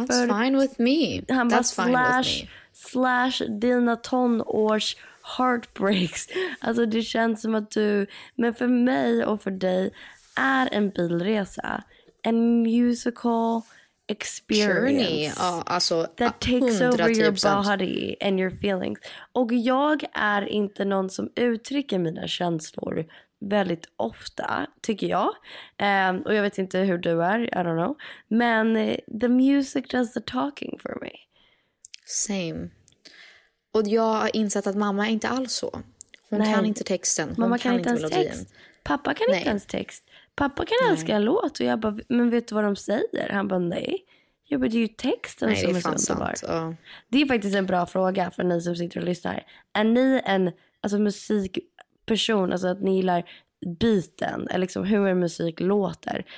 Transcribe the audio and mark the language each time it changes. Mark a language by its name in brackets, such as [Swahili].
[English] That's fine with me. [Swedish] Han [English] That's [Swedish] bara, slash dina tonårs heartbreaks. Alltså det känns som att du... Men för mig och för dig är en bilresa en [English] musical experience. Journey. Alltså, that takes over your body and your feelings. [Swedish] Och jag är inte någon som uttrycker mina känslor väldigt ofta, tycker jag. Och jag vet inte hur du är, [English] I don't know. Men the music does the talking for me. Same. [Swedish] Och jag har insett att mamma är inte alls så. Hon kan inte texten. Hon mamma kan inte ens melodien. Text. Pappa kan inte ens text. Pappa kan älska en låt och jag bara, men vet du vad de säger? Han bara, nej. Jag bara, det är ju texten nej, som är så underbar. Sant, det är faktiskt en bra fråga för ni som sitter och lyssnar. Är ni en alltså, musikperson, alltså att ni gillar biten, eller liksom hur en musik låter?